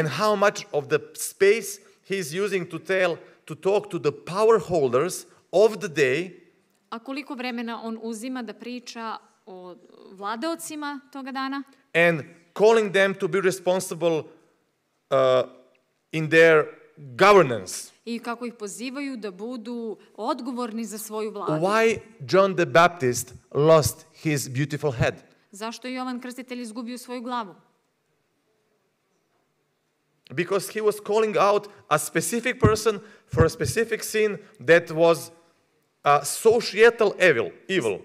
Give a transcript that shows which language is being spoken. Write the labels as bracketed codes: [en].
[en] And how much of the space he's using to talk to the power holders of the day? [sr] A koliko vremena on uzima da priča o vladaocima toga dana? [en] And calling them to be responsible in their governance. [sr] I kako ih pozivaju da budu odgovorni za svoju vladu. [en] Why John the Baptist lost his beautiful head? [sr] Zašto je Jovan Krstitelj izgubio svoju glavu? [en] Because he was calling out a specific person for a specific sin that was a societal evil.